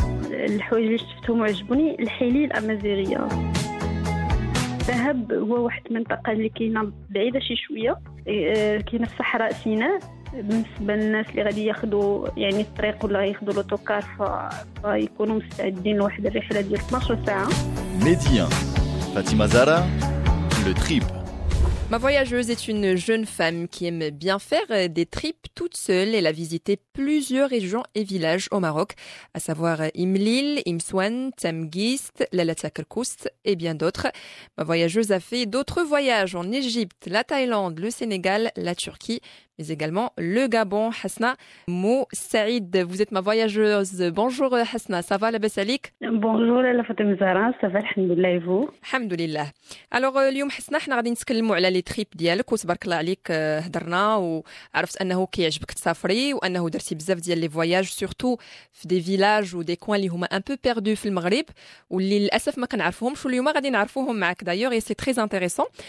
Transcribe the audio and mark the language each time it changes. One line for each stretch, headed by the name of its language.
Arabic: الحوايج اللي شفتهم وعجبوني الحلي الامازيغيه. ذهب هو واحد المنطقه اللي كاينه بعيده شي شويه، كاينه في صحراء سيناء. بالنسبه للناس اللي غادي ياخذوا يعني الطريق ولا ياخذوا لوطوكار فيكونوا مستعدين لواحد الرحله ديال 12 ساعه.
French: Médien, Fatima Zara, le trip. Ma voyageuse est une jeune femme qui aime bien faire des trips toute seule. Elle a visité plusieurs régions et villages au Maroc, à savoir Imlil, Imssouane, Tanguisste, la Latakarkoust et bien d'autres. Ma voyageuse a fait d'autres voyages en Égypte, la Thaïlande, le Sénégal, la Turquie, mais également le Gabon. Hassna, Moustaid, vous êtes ma voyageuse. Bonjour Hassna, ça va la Bessalik? Bonjour la Fatima Zara, ça va, alhamdoulilah, et vous? Alhamdoulilah.
Arabic: Alors, aujourd'hui, Hassna, nous allons parler على لي تريب ديالك وتبارك الله عليك هضرنا وعرفت انه كيعجبك تسافري وانه درتي بزاف ديال لي فواياج
French: سورتو في دي فيلاج و دي كوين
Arabic: اللي هما
French: ان بو بيردو
Arabic: في المغرب واللي للاسف ما كنعرفوهمش واليوم غادي نعرفوهم معاك
French: دايور سي تري انتريسون.